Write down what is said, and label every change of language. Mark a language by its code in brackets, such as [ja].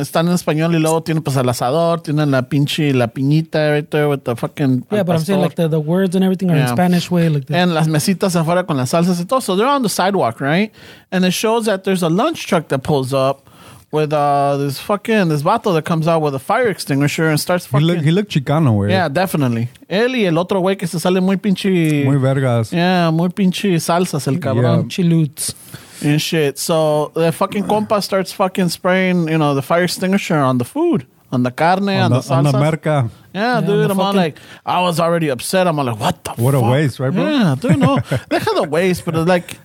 [es] Están en español y luego tienen pues el asador, tienen la pinche, la piñita [en] right there with the fucking. Yeah, but pastor. I'm saying like the words and everything are in Spanish way. Like [es] and las mesitas afuera con las salsas y todo. [en] So they're on the sidewalk, right? And it shows that there's a lunch truck that pulls up. With this fucking, this vato that comes out with a fire extinguisher and starts fucking. He looked Chicano, weird. Yeah, definitely. [es] Él y el otro güey que se sale muy pinche. Muy vergas. Yeah, muy pinche salsas el cabrón. Yeah. Chilutes. [en] And shit. So the fucking compa starts fucking spraying, you know, the fire extinguisher on the food. On the carne, on the salsa. On the merca. Yeah, dude. I'm all like, I was already upset. I'm all like, what the what fuck? What a waste, right, bro? Yeah, dude, no. They had a waste, but it's like.